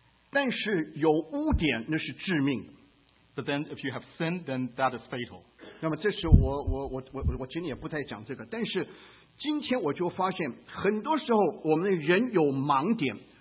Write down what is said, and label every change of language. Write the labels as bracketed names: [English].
[Chinese] 但是有污点那是致命的。 [English] But then if you have sin, then that is fatal. [Chinese] 那么这是我今天也不再讲这个，但是今天我就发现很多时候我们人有盲点。